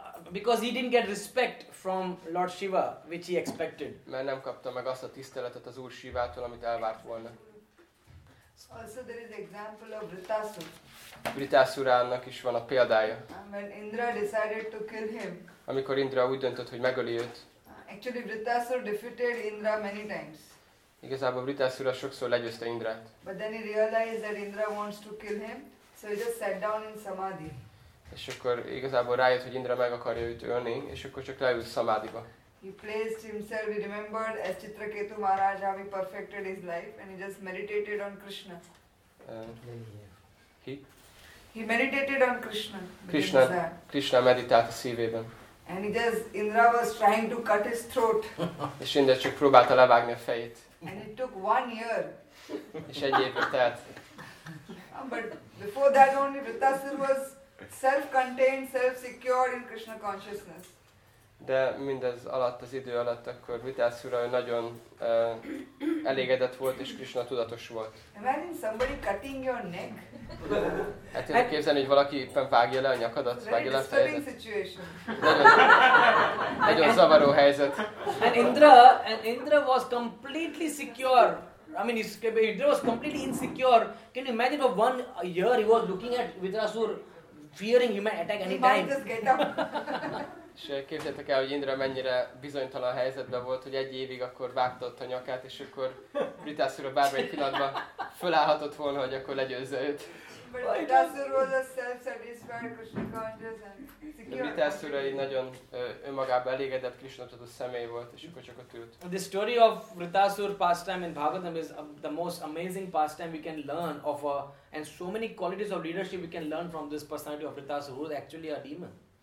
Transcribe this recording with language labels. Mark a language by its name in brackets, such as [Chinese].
[English] Because he didn't get respect from Lord Shiva, which he expected. [Hungarian] Mert nem kapta meg azt a tiszteletet az Úr Shivától, amit elvárt volna. [English] Also there is example of Vritasura. [Hungarian] Vritasurának is van a példája. [English] When Indra decided to kill him. [Hungarian] Amikor Indra úgy döntött, hogy megöli őt. [English] Actually Vritasura defeated Indra many times. [Hungarian] Igazából Vritasura sokszor legyőzte Indrát. [English] But then he realized that Indra wants to kill him, so he just sat down in samadhi. [Hungarian] És akkor igazából rájött, hogy Indra meg akarja őt ölni, és akkor csak leült szamádiba. [English] He placed himself, he remembered, as Chitraketu Maharaja, he perfected his life, and he just meditated on Krishna. He meditated on Krishna. [Hungarian] Krishna meditált a szívében. [English] And he just, Indra was trying to cut his throat. [Hungarian] És Indra csak próbálta levágni a fejét. [English] And it took 1 year. [Hungarian] És egy évre telt. [English] But before that only, Vritasura was self-contained, self-secured in Krishna consciousness. [Hungarian] De mindez alatt, az idő alatt, akkor Vritasura nagyon elégedett volt, és Krishna tudatos volt. [English] Imagine somebody cutting your neck. [Hungarian] Hát tényleg képzelni, hogy valaki éppen vágja le a nyakadat, vágja le a fejedet. [English] Very disturbing situation. [Hungarian] Nagyon zavaró helyzet. [English] And Indra was completely secure. I mean, Indra was completely insecure. Can you imagine for 1 year he was looking at Vritasura, fearing you might attack any time. [Hungarian] És képzeljétek el, hogy Indra mennyire bizonytalan helyzetben volt, hogy egy évig akkor vágtott a nyakát, és akkor Vritasura bármely pillanatban fölállhatott volna, hogy akkor legyőzze őt. [English] But Vritasura was a self-satisfied Krishna consciousness. [Hungarian] De Vitászura egy nagyon önmagában elégedett Krisna-tudó személy volt, és akkor csak ott ült. [English] The story of Vritasur pastime in Bhagavatam is the most amazing pastime we can learn of a, and so many qualities of leadership we can learn from this personality of Vritasur, who is actually a demon.